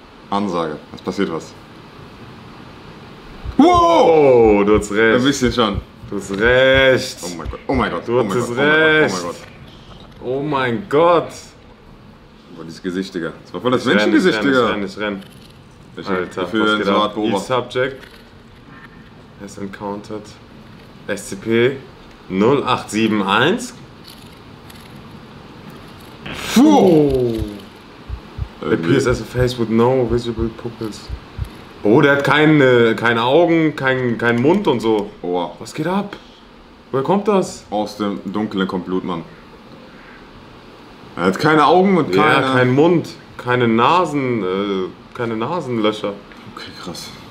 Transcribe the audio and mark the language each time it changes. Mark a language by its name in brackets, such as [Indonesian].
[German] Ansage. Es passiert was. Wow! Oh, du hast recht. Ein bisschen schon. Du hast recht! Oh mein Gott, oh mein Gott, du hast oh mein recht! Gott. Oh mein Gott! Boah, dieses Gesicht, Digga. Das war voll das Menschengesicht, Digga. Ich renn. Alter, was geht ab? [English] East Subject has encountered SCP 0871. Puh! Appears as a face with no visible pupils. [German] Oh, der hat keine Augen, keinen Mund und so. Oh. Was geht ab? Woher kommt das? Aus dem Dunkeln kommt Blut, Mann. Er hat keine Augen und keine. Ja, kein Mund, keine Nasenlöcher. Okay, krass.